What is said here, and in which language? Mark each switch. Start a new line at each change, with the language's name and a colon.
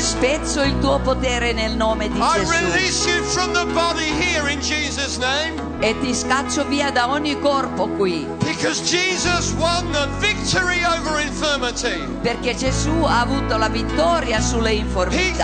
Italian: Spezzo il tuo potere nel nome di Gesù.
English: I release you from the body here in Jesus' name.
Italian: E ti scaccio via da ogni corpo qui.
English: Because Jesus won the victory over infirmity.
Italian: Perché Gesù ha avuto la vittoria sulle infermità.